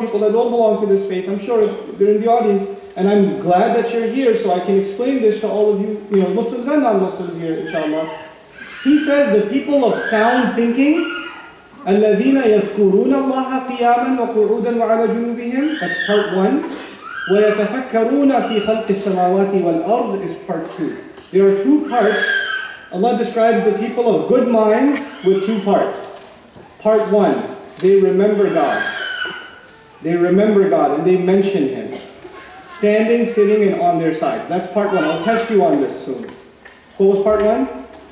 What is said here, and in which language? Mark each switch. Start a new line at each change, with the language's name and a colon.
English: People that don't belong to this faith, I'm sure they're in the audience. And I'm glad that you're here so I can explain this to all of you, you know, Muslims and non-Muslims here, inshallah. He says the people of sound thinking,
Arabic: الَّذِينَ يَذْكُرُونَ اللَّهَ قِيَامًا وَقُعُودًا وَعَلَى جُنُوبِهِمْ.
English: That's part one.
Arabic: وَيَتَفَكَّرُونَ فِي خَلْقِ السَّمَاوَاتِ وَالْأَرْضِ
English: is part two. There are two parts. Allah describes the people of good minds with two parts. Part one, they remember God. They remember God and they mention Him. Standing, sitting, and on their sides. That's part one. I'll test you on this soon. What was part one?